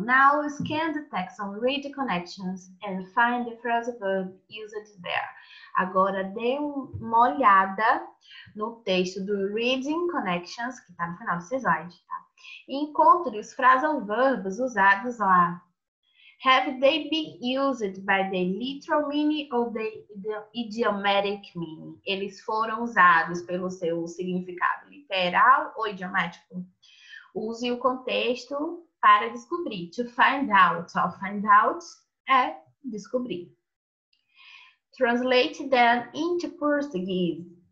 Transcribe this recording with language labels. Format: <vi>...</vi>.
<en>Now scan the text and read the connections and find the phrasal verb used there.</en> <pt>Agora dê uma olhada no texto do Reading Connections, que tá no final do slide, tá? Encontre os phrasal verbs usados lá.</pt> <en>Have they been used by the literal meaning or the idiomatic meaning?</en> <pt>Eles foram usados pelo seu significado literal ou idiomático? Use o contexto para descobrir.</pt> <en>To find out. To find out</en> <pt>é descobrir.</pt> <en>Translate them into Portuguese.</en>